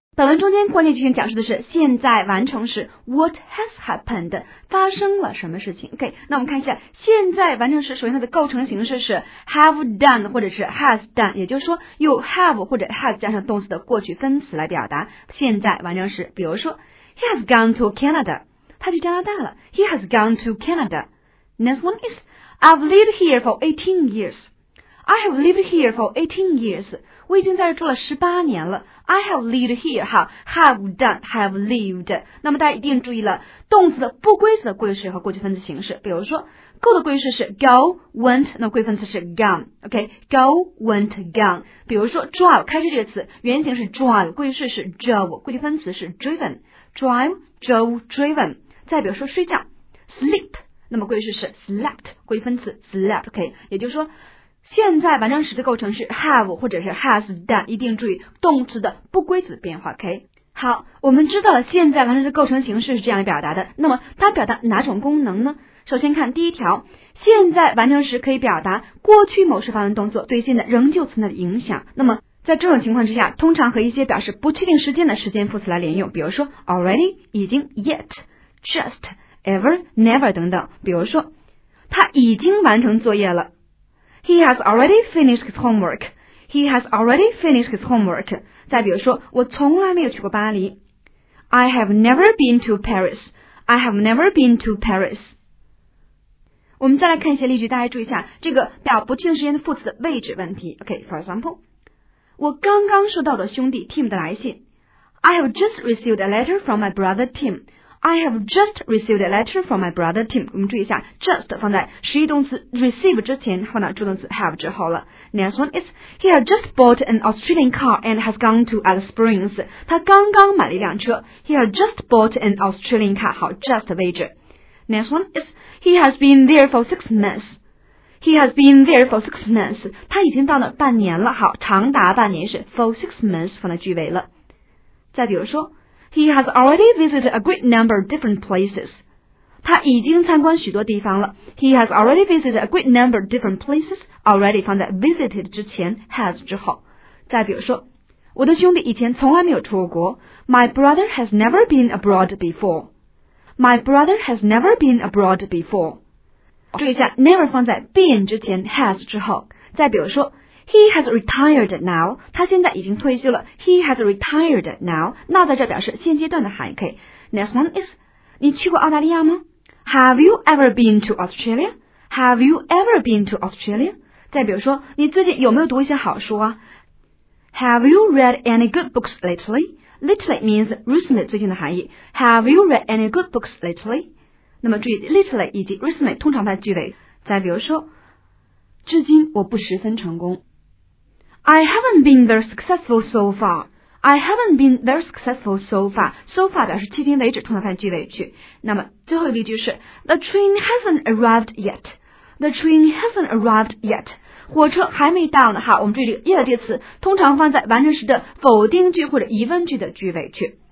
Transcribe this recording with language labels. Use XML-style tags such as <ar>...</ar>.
<zh>本文中间关键句型讲述的是现在完成时 ，</zh> <en>what has happened，</en> <zh>发生了什么事情 ？OK， 那我们看一下现在完成时，首先它的构成形式是 have done 或者是 has done， 也就是说用 have 或者 has 加上动词的过去分词来表达现在完成时。比如说</zh> <en>，he has gone to Canada，</en> <zh>他去加拿大了。</zh> <en>He has gone to Canada。 Next one is I've lived here for 18 years。 I have lived here for 18 years.</en> <zh>我已经在这住了18年了。</zh> <en>I have lived here, 哈 have done, have lived.</en> <zh>那么大家一定注意了动词的不规则的过去式和过去分词形式。比如说 go 的过去式是 go, went, 那么过去分词是 gone, OK, go, went, gone. 比如说 drive, 开车这个词原型是 drive, 过去式是 drove, 过去分词是 driven, drive, drove, driven. 再比如说睡觉 sleep, 那么过去式是 slept, 过去分词 slept, OK, 也就是说现在完成时的构成是 have 或者是 has done， 一定注意动词的不规则变化。 OK， 好，我们知道了现在完成时的构成形式是这样表达的，那么它表达哪种功能呢？首先看第一条，现在完成时可以表达过去某事发生动作对现在仍旧存在的影响。那么在这种情况之下，通常和一些表示不确定时间的时间副词来连用，比如说 already 已经 yet just ever never 等等。比如说他已经完成作业了，</zh> <en>He has already finished his homework. He has already finished his homework.</en> <zh>再比如说，我从来没有去过巴黎。</zh> <en>I have never been to Paris. I have never been to Paris.</en> <zh>我们再来看一些例句，大家注意一下这个表不确定时间的副词的位置问题。</zh> <en>OK, for example,</en> <zh>我刚刚收到的兄弟 Tim 的来信。</zh> <en>I have just received a letter from my brother Tim. I have just received a letter from my brother Tim.</en> <zh>我们注意一下 just 放在实义动词 receive 之前，放到助动词 have 之后了。</zh> <en>Next one is He has just bought an Australian car and has gone to Alice Springs.</en> <zh>他刚刚买了一辆车。</zh> <en>He has just bought an Australian car.</en> <zh>好，</zh> <en>just 位置。Next one is He has been there for 6 months. He has been there for 6 months.</en> <zh>他已经到了半年了。好，长达半年是 for 6 months 放在句尾了。再比如说</zh> <en>He has already visited a great number of different places.</en> <zh>他已经参观许多地方了。</zh> <en>He has already visited a great number of different places. Already</en> <zh>放在</zh> <en>visited</en> <zh>之前</zh> <en>，has</en> <zh>之后。再比如说，我的兄弟以前从来没有出过国。</zh> <en>My brother has never been abroad before. My brother has never been abroad before.</en> <zh>注意一下 ，never 放在 been 之前 ，has 之后。再比如说。</zh> <en>He has retired now.</en> <zh>他现在已经退休了。</zh> <en>He has retired now.</en> <zh>Now 在这表示现阶段的含义。</zh> <en>Okay. Next one is,</en> <zh>你去过澳大利亚吗</zh> <en>？Have you ever been to Australia? Have you ever been to Australia?</en> <zh>再比如说，你最近有没有读一些好书啊 ？</zh> <en>Have you read any good books lately? Lately means recently</en> <zh>最近的含义。</zh> <en>Have you read any good books lately?</en> <zh>那么注意 lately 以及 recently 通常在句尾。再比如说。至今我不十分成功。</zh> <en>I haven't been very successful so far. I haven't been very successful so far.</en> <zh>So far 表示迄今为止，通常放在句尾去。那么最后一个例句是</zh> <en>The train hasn't arrived yet. The train hasn't arrived yet.</en> <zh>火车还没到呢。好，我们注意这个 yet 这个词，通常放在完成时的否定句或者疑问句的句尾去。</zh>